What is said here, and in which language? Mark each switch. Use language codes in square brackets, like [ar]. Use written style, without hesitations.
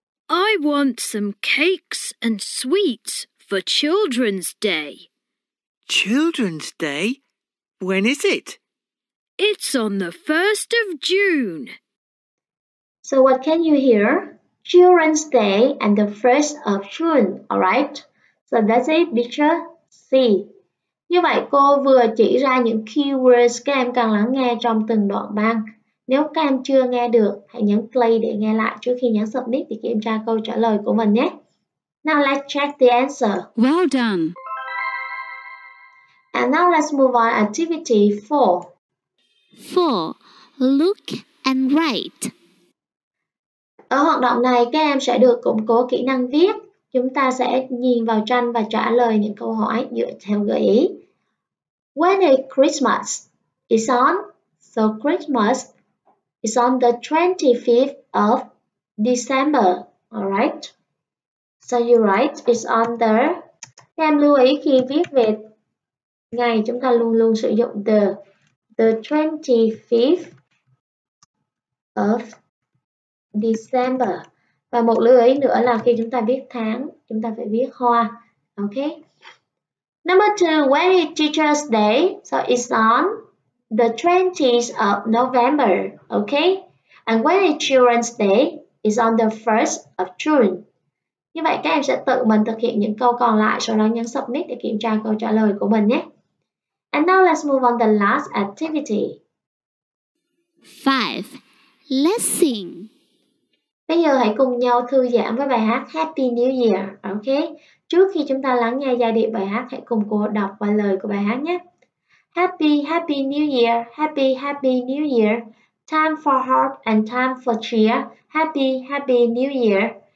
[en] I want some cakes and sweets for Children's Day. Children's Day? When is it? It's on the 1st of June. So what can you hear? Children's Day and the 1st of June, all right? So that's it, picture C. [vi] Như vậy, cô vừa chỉ ra những keywords các em cần lắng nghe trong từng đoạn băng. Nếu các em chưa nghe được, hãy nhấn play để nghe lại trước khi nhấn submit để kiểm tra câu trả lời của mình nhé. [en] Now let's check the answer. Well done. And now let's move on to activity 4. 4. Look and write. [vi] Ở hoạt động này, các em sẽ được củng cố kỹ năng viết. Chúng ta sẽ nhìn vào tranh và trả lời những câu hỏi dựa theo gợi ý. [en] When is Christmas? It's on. So Christmas is on the 25th of December. Alright. So you write, it's on the. [vi] Các em lưu ý khi viết về ngày, chúng ta luôn luôn sử dụng [en] the 25th of December. [vi] Và một lưu ý nữa là khi chúng ta viết tháng, chúng ta phải viết hoa. [en] Ok. Number two, when is Teacher's Day? So it's on the 20th of November. Ok. And when is Children's Day? It's on the 1st of June. [vi] Như vậy các em sẽ tự mình thực hiện những câu còn lại, sau đó nhấn submit để kiểm tra câu trả lời của mình nhé. [en] And now let's move on to the last activity. 5. Let's sing. [vi] Bây giờ hãy cùng nhau thư giãn với bài hát Happy New Year, ok? Trước khi chúng ta lắng nghe giai điệu bài hát, hãy cùng cô đọc qua lời của bài hát nhé. [en] Happy, happy new year, happy, happy new year. Time for hope and time for cheer. Happy, happy new year.